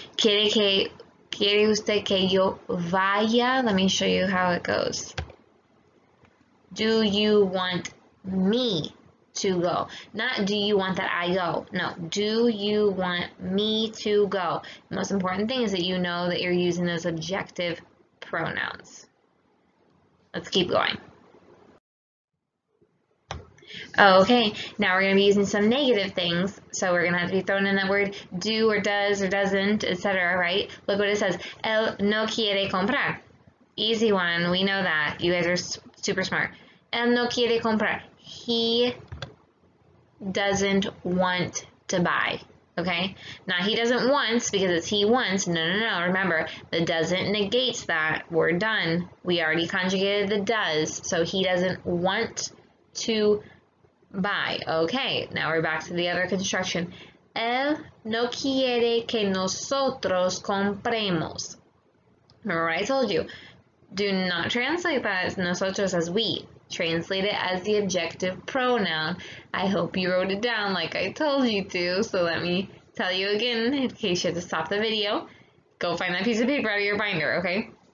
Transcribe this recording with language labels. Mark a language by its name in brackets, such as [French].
[Spanish] Quiere usted que yo vaya? [English] Let me show you how it goes. Do you want me to go? Not do you want that I go? No. Do you want me to go? The most important thing is that you know that you're using those objective pronouns. Let's keep going. Okay, now we're going to be using some negative things. So we're going to have to be thrown in that word do or doesn't, etc., right? Look what it says. [Spanish] El no quiere comprar. [English] Easy one. We know that. You guys are super smart. [Spanish] El no quiere comprar. [English] He doesn't want to buy. Okay? Now he doesn't want because it's he wants. No. Remember, the doesn't negates that. We're done. We already conjugated the does. So he doesn't want to Bye. Okay, now we're back to the other construction. [Spanish] Él no quiere que nosotros compremos. [English] Remember what I told you. Do not translate that as nosotros as we. Translate it as the objective pronoun. I hope you wrote it down like I told you to. So let me tell you again, in case you have to stop the video, go find that piece of paper out of your binder, okay?